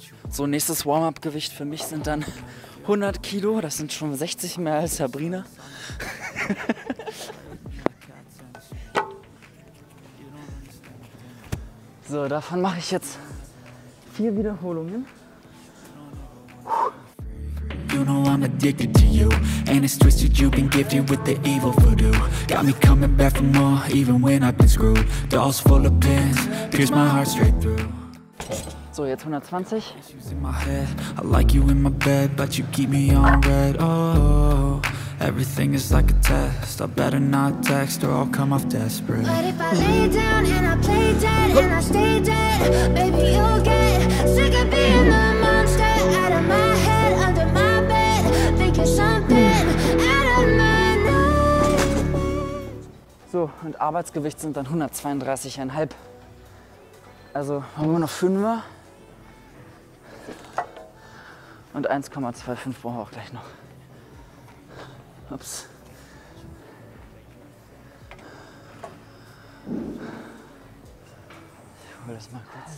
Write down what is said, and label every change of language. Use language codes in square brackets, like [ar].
[de] So, nächstes Warm-up-Gewicht für mich sind dann 100 Kilo. Das sind schon 60 mehr als Sabrina. So, davon mache ich jetzt 4 Wiederholungen. [en] You know I'm addicted to you. And it's twisted, you've been gifted with the evil voodoo. Got me coming back for more, even when I've been screwed. Dolls full of pins, pierce my heart straight through. [de] So, jetzt 120. [en] I like you in my bed, but you keep me on red. Oh, everything is like a test. I better not text or I'll come off desperate. But if I lay down and I play dead and I stay dead, baby, you'll get sick of being the monster out of my head, under my bed, thinking something out of my nightmare. [de] So, und Arbeitsgewicht sind dann 132,5. Also, haben wir noch 5er. Und 1,25 brauchen wir auch gleich noch. Ups. Ich hole das mal kurz.